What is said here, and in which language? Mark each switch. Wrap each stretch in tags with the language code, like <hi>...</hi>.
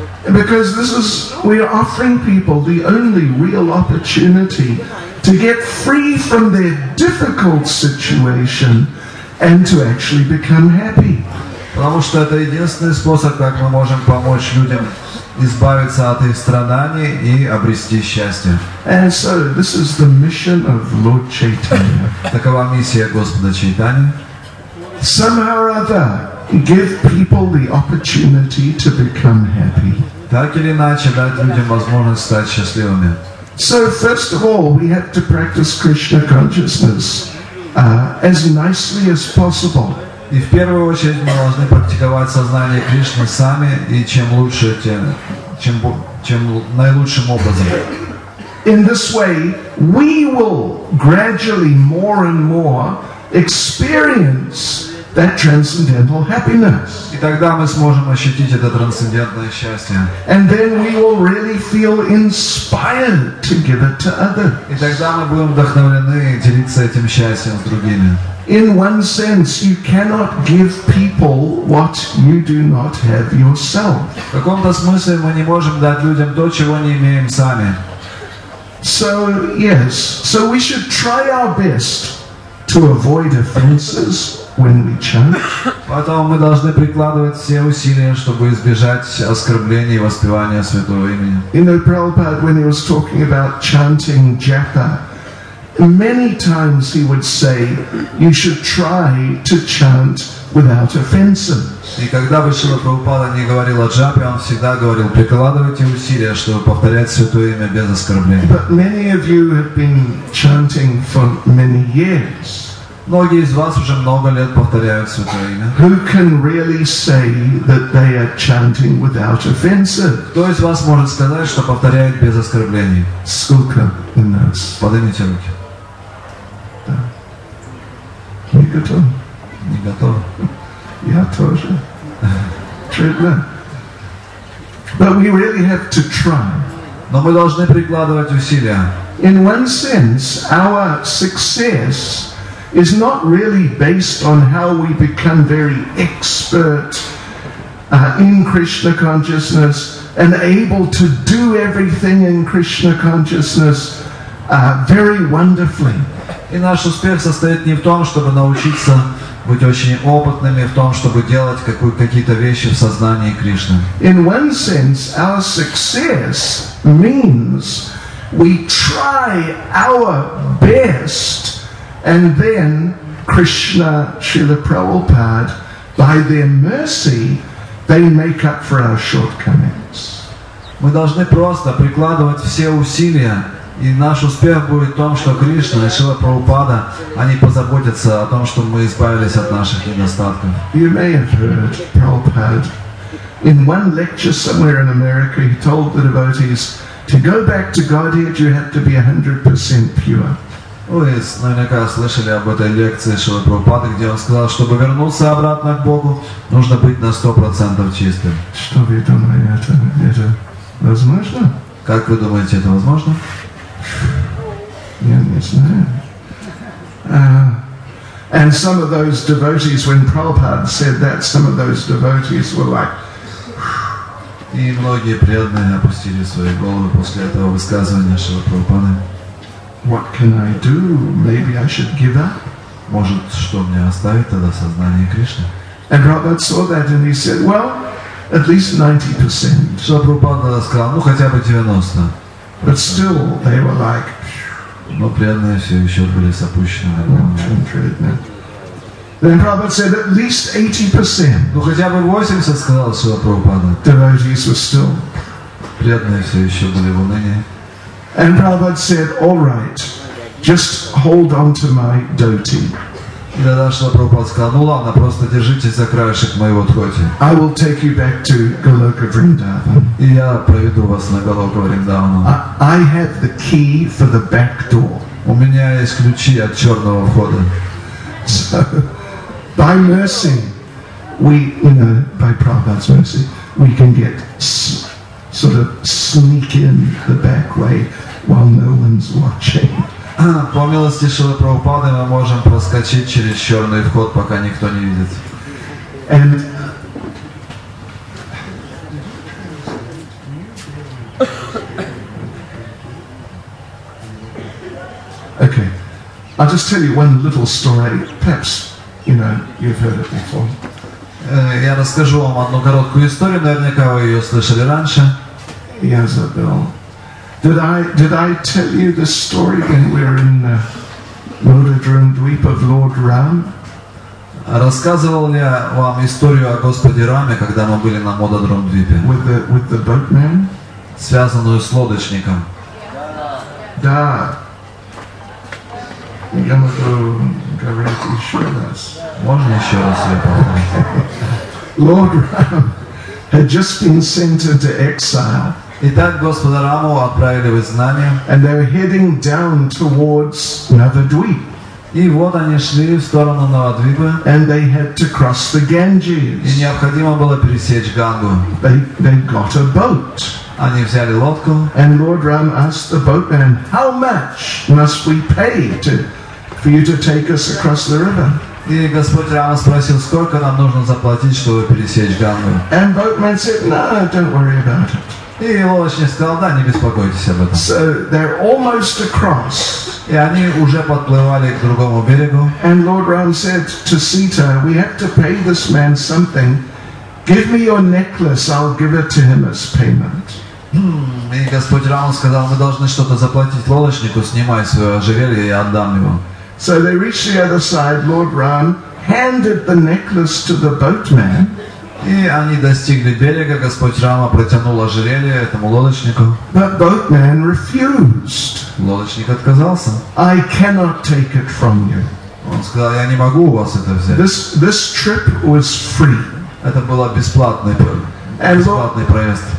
<en>Because this is, we are offering people the only real opportunity to get free from their difficult situation and to actually become happy.</en> <ru>Потому что это единственный способ, как мы можем помочь людям избавиться от их страданий и обрести счастье.</ru> <en>And so this is the mission of Lord Chaitanya.</en> <ru>Такова миссия Господа Чайтани.</ru> <en>Somehow or other, give people the opportunity to become happy.</en> <ru>Так или иначе, дать людям возможность стать счастливыми.</ru> <en>So first of all, we have to practice Krishna consciousness as nicely as possible.</en> <ru>И в первую очередь мы должны практиковать сознание Кришны сами, и чем лучше, чем наилучшим образом.</ru> <en>In this way, we will gradually more and more experience that transcendental happiness.</en> <ru>И тогда мы сможем ощутить это трансцендентное счастье.</ru> <en>And then we will really feel inspired to give it to others.</en> <ru>И тогда мы будем вдохновлены делиться этим счастьем с другими.</ru> <en>In one sense, you cannot give people what you do not have yourself.</en> <ru>В каком-то смысле мы не можем дать людям то, чего не имеем сами.</ru> <en>So, yes. So we should try our best to avoid offenses when we chant.</en> <ru>Поэтому мы должны прикладывать все усилия, чтобы избежать оскорблений и воспевания святого имени.</ru> <en>You know, Prabhupada, when he was talking about chanting japa, many times he would say, you should try to chant without offenses.</en> <ru>И когда бы Шрила Прабхупада не говорил о джапе, он всегда говорил, прикладывайте усилия, чтобы повторять святое имя без оскорбления.</ru> <en>But many of you have been chanting for many years.</en> <ru>Многие из вас уже много лет повторяют святое имя.</ru> <en>Who can really say that they are chanting without offenses?</en> <ru>Кто из вас может сказать, что повторяет без оскорблений? Сколько у нас? Поднимите руки. Не готов? Не готов. Я тоже. Трудно.</ru> <en>But we really have to try.</en> <ru>Но мы должны прикладывать усилия.</ru> <en>In one sense, our success is not really based on how we become very expert in Krishna consciousness and able to do everything in Krishna consciousness very wonderfully.</en> <ru>И наш успех состоит не в том, чтобы научиться быть очень опытными, в том, чтобы делать какие-то вещи в сознании Кришны.</ru> <en>In one sense, our success means we try our best, and then Krishna Srila Prabhupada By their mercy, they make up for our shortcomings.</en> <ru>Мы должны просто прикладывать все усилия, и наш успех будет в том, что Кришна и Шрила Прабхупада, они позаботятся о том, чтобы мы избавились от наших недостатков.</ru> <en>You may have heard Prabhupada. In one lecture somewhere in America, he told the devotees, to go back to Godhead, you have to be 100% pure.</en> <ru>Вы наверняка слышали об этой лекции Шрилы Прабхупады, где он сказал, чтобы вернуться обратно к Богу, нужно быть на 100% чистым. Что вы думаете, это возможно? Как вы думаете, это возможно? Я не знаю.</ru> <en>And some of those devotees, when Prabhupada said that, some of those devotees were like,</en> <ru>и многие преданные опустили свои головы после этого высказывания Шрилы Прабхупады.</ru> <en>What can I do? Maybe I should give up.</en> <ru>Может, что мне оставить тогда сознание Кришны?</ru> <en>And Prabhupada saw that and he said, well, at least 90%.</en> <ru>Шрила Прабхупада сказал, ну хотя бы 90.</ru> <en>But still, they were like,</en> <ru>но преданные все еще были с опущенными головами.</ru> <en>Then Prabhupada said at least 80%.</en> <ru>Ну хотя бы 80, сказал Шрила Прабхупада.</ru> <en>Devotees were still.</en> <ru>Преданные все еще были в унынии.</ru> <en>And Prabhupada said, all right, just hold on to my dhoti.</en> <ru>И тогда Шрила Прабхупада сказал, ну ладно, просто держитесь за краешек моего дхоти.</ru> <en>I will take you back to Goloka Vrindavan.</en> <ru>И я проведу вас на Голоку Вриндавану.</ru> <en>I have the key for the back door.</en> <ru>У меня есть ключи от черного входа.</ru> <en>So, by mercy, by Prabhupada's mercy, we can get sort of sneak in the back way while no one's watching.</en> <ru>По милости Шрилы Прабхупады мы можем проскочить через черный вход, пока никто не видит.</ru> <en>And okay. I'll just tell you one little story. Perhaps, you know, you've heard it before.</en> <ru>Я расскажу вам одну короткую историю, наверняка вы ее слышали раньше.</ru> <en>Yes, Bill. Did I tell you the story when we were in the Mudadrum Dweep of Lord Ram?</en> <ru>Рассказывал ли я вам историю о Господе Раме, когда мы были на Мудадрум Двипе?</ru> <en>With the boatman?</en> <ru>Связанную с лодочником. Да. Я могу говорить еще раз. Можно еще раз я повторю?</ru> <en>Lord Ram had just been sent into exile.</en> <ru>Итак, Господа Раму отправили в изгнание.</ru> <en>And they were heading down towards Navadvip.</en> <ru>И вот они шли в сторону Навадвипа.</ru> <en>And they had to cross the Ganges.</en> <ru>И необходимо было пересечь Гангу.</ru> <en>They got a boat.</en> <ru>Они взяли лодку.</ru> <en>And Lord Ram asked the boatman, how much must we pay for you to take us across the river?</en> <ru>И Господь Рама спросил, сколько нам нужно заплатить, чтобы пересечь Гангу.</ru> <en>And boatman said, no, don't worry about it.</en> <ru>И лодочник сказал, да, не беспокойтесь об этом.</ru> <en>So they're almost across.</en> <ru>И они уже подплывали к другому берегу.</ru> <en>And Lord Ram said to Sita, we have to pay this man something. Give me your necklace, I'll give it to him as payment.</en> <ru>И Господь Рама сказал, мы должны что-то заплатить лодочнику, снимай свое ожерелье и отдам его.</ru> <en>So they reached the other side, Lord Ram handed the necklace to the boatman.</en> <ru>И они достигли берега, Господь Рама протянул ожерелье этому лодочнику.</ru> <en>But boatman refused.</en> <ru>Лодочник отказался.</ru> <en>I cannot take it from you.</en> <ru>Он сказал, я не могу у вас это взять.</ru> <en>This trip was free.</en> <ru>Это было бесплатный проезд.</ru>